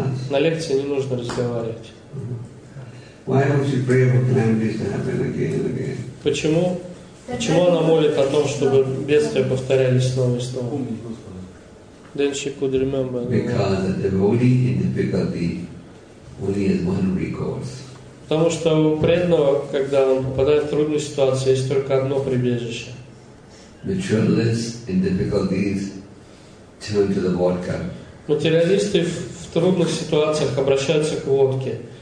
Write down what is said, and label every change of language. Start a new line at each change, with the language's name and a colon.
Russian: На лекции не нужно разговаривать.
English: Why would she pray for calamities to happen again and again?
Russian: Почему? Почему она молит о том, чтобы бедствия повторялись снова и снова?
English: Then she could remember. Because a devotee in difficulty only has one recourse.
Russian: Потому что у преданного, когда он попадает в трудную ситуацию, есть только одно прибежище.
English: Materialists in difficulties turn to the vodka.
Russian: Материалисты в трудных ситуациях обращаются к водке.